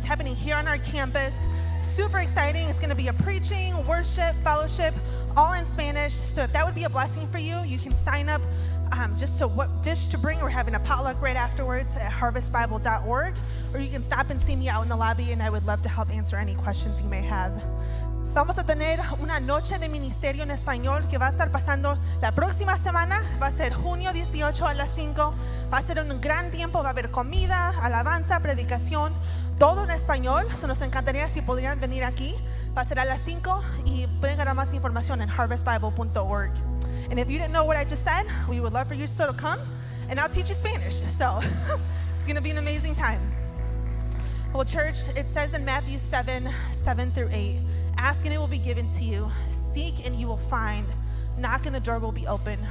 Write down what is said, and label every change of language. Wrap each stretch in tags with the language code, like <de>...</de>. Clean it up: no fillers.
<en>It's happening here on our campus. Super exciting. It's going to be a preaching, worship, fellowship, all in Spanish. So if that would be a blessing for you, you can sign up just to what dish to bring. We're having a potluck right afterwards at harvestbible.org. Or you can stop and see me out in the lobby, and I would love to help answer any questions you may have.</en> <es>Vamos a tener una noche de ministerio en español que va a estar pasando la próxima semana. Va a ser junio 18 a las 5. Va a ser un gran tiempo. Va a haber comida, alabanza, predicación, todo en español. So nos encantaría si podrían venir aquí. Va a ser a las 5 y pueden ganar más información en harvestbible.org.</es> <en>And if you didn't know what I just said, we would love for you still to come, and I'll teach you Spanish. So it's going to be an amazing time. Well, church, it says in Matthew 7:7-8, ask and it will be given to you. Seek and you will find. Knock and the door will be open.</en>